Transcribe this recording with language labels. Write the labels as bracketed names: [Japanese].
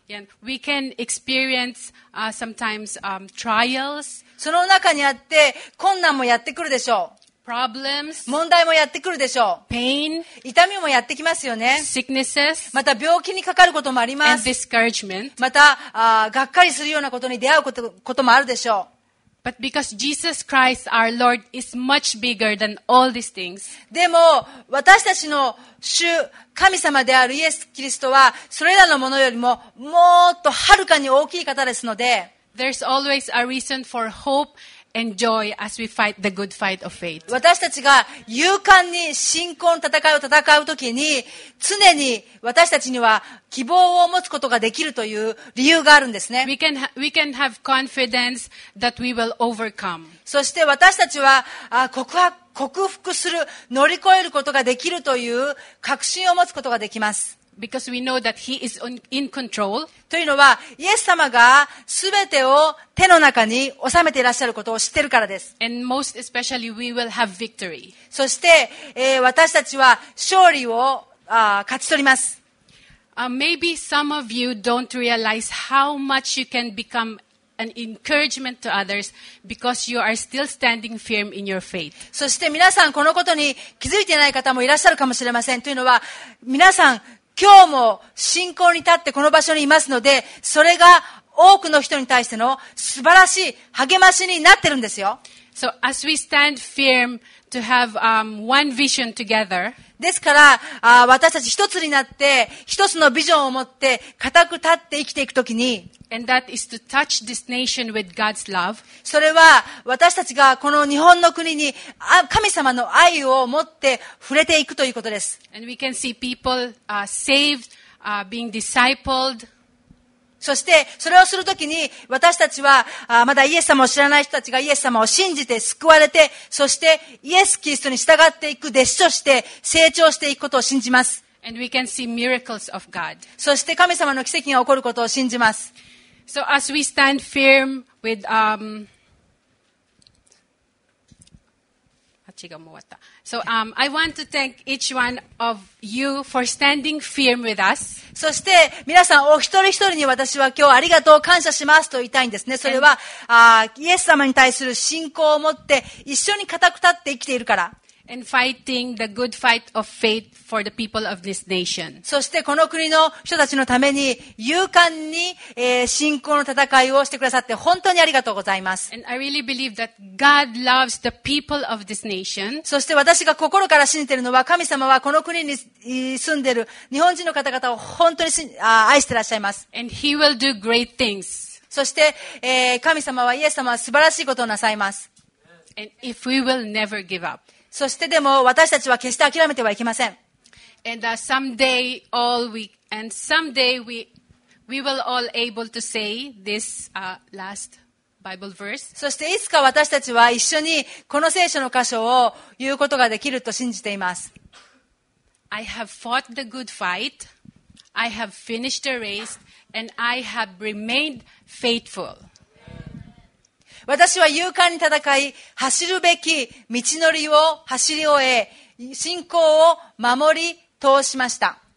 [English] yeah, we can experience sometimes trials. [Japanese] その中にあって困難もやってくるでしょう。 [English] problems. [Japanese] 問題もやってくるでしょう。 [English] pain. [Japanese] 痛みもやってきますよね。 [English] sicknesses. [Japanese] また病気にかかることもあります。 [English] and discouragement. [Japanese] またがっかりするようなことに出会うこともあるでしょう。 [English] But because Jesus Christ, our Lord, is much bigger than all these things. [Japanese] でも私たちの主、神様であるイエス・キリストはそれらのものよりももっとはるかに大きい方ですので、 [English] There's always a reason for hope enjoy as we fight the good fight of faith. [Japanese] 私たちが勇敢に信仰の戦いを戦うときに、常に私たちには希望を持つことができるという理由があるんですね。 [English] We can have confidence that we will overcome. [Japanese] そして私たちは克服する、乗り越えることができるという確信を持つことができます。 [English] Because we know that he is in control. [Japanese] というのは、イエス様がすべてを手の中に収めていらっしゃることを知っているからです。 [English] And most especially, we will have victory. [Japanese] そして、私たちは勝利を勝ち取ります。 [English] Maybe some of you don't realize how much you can become an encouragement to others because you are still standing firm in your faith. [Japanese] そして皆さん、このことに気づいていない方もいらっしゃるかもしれません。というのは、皆さん、今日も信仰に立ってこの場所にいますので、それが多くの人に対しての素晴らしい励ましになってるんですよ。 [English] So as we stand firm to have one vision together. [Japanese] ですから、私たち一つになって、一つのビジョンを持って、固く立って生きていくときに、 [English] And that is to touch this nation with God's love. [Japanese] それは私たちがこの日本の国に神様の愛を持って触れていくということです。 [English] And we can see people saved, being discipled. [Japanese] そしてそれをするときに私たちはまだイエス様を知らない人たちがイエス様を信じて救われて、そしてイエスキリストに従っていく弟子として成長していくことを信じます。 [English] And we can see miracles of God. [Japanese] そして神様の奇跡が起こることを信じます。 [English] So as we stand firm with, [Japanese] 8が終わった。 [English] So, I want to thank each one of you for standing firm with us. [Japanese] そして皆さんお一人一人に私は今日ありがとう感謝しますと言いたいんですね。それは、イエス様に対する信仰を持って一緒に固く立って生きているから。 [English] And fighting the good fight of faith for the people of this nation. [Japanese] そしてこの国の人たちのために勇敢に、信仰の戦いをしてくださって本当にありがとうございます。 [English] And I really believe that God loves the people of this nation. [Japanese] そして私が心から信じているのは神様はこの国に住んでいる日本人の方々を本当に愛していらっしゃいます。 [English] And He will do great things. [Japanese] そして、神様はイエス様は素晴らしいことをなさいます。 [English] And if we will never give up. [Japanese] そしてでも私たちは決して諦めてはいけません。 [English] And someday all we and someday we will all able to say this last Bible verse. [Japanese] そしていつか私たちは一緒にこの聖書の箇所を言うことができると信じています。 [English] I have fought the good fight. I have finished the race, and I have remained faithful. [Japanese] 私は勇敢に戦い、走るべき道のりを走り終え、信仰を守り通しました。